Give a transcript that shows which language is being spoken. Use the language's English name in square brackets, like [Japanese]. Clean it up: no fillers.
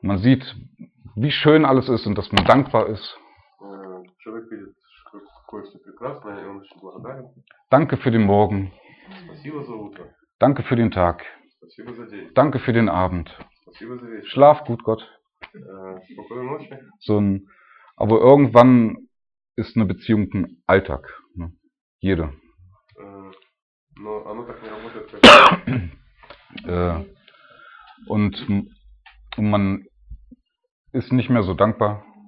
[German] Man sieht, wie schön alles ist und dass man dankbar ist. [Russian] Человек видит, какое все прекрасное, и он очень благодарен. [German] Danke für den Morgen. [Russian] Спасибо за утро. [German] Danke für den Tag. [Russian] Спасибо за день. [German] Danke für den Abend. [Russian] Спасибо за вечер. [German] Schlaf gut, Gott. [Russian] Спокойной ночи. [German] So ein, aber irgendwann ist eine Beziehung ein Alltag. Ne? Jede. [Russian] Но оно так не работает, как... [German] Und man ist nicht mehr so dankbar.